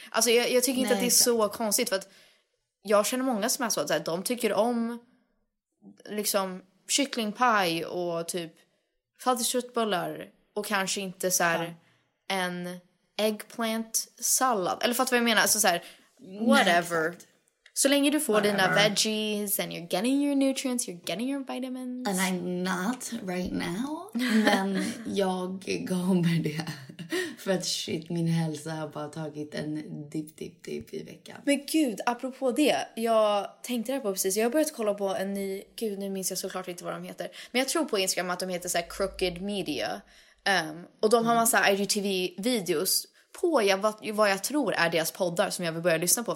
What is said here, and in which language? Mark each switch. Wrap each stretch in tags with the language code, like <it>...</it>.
<sv>Alltså jag tycker inte att det är så konstigt. För att jag känner många som är så att så här, de tycker om liksom... kycklingpaj och typ fattig köttbullar och kanske inte så här en eggplant sallad. Eller fattar vad jag menar? Alltså så här, whatever. Nej, So länge du får whatever. Dina</sv> <en>veggies and you're getting your nutrients, you're getting your vitamins. And I'm not right now.</en> <sv>Men jag kommer det. För att shit, min hälsa har bara tagit en dip i veckan. Men gud, apropå det. Jag tänkte det på precis. Jag har börjat kolla på en ny... Gud, nu minns jag såklart inte vad de heter. Men jag tror på Instagram att de heter så här Crooked Media. Och de har massa IGTV-videos på vad jag tror är deras poddar som jag vill börja lyssna på.</sv>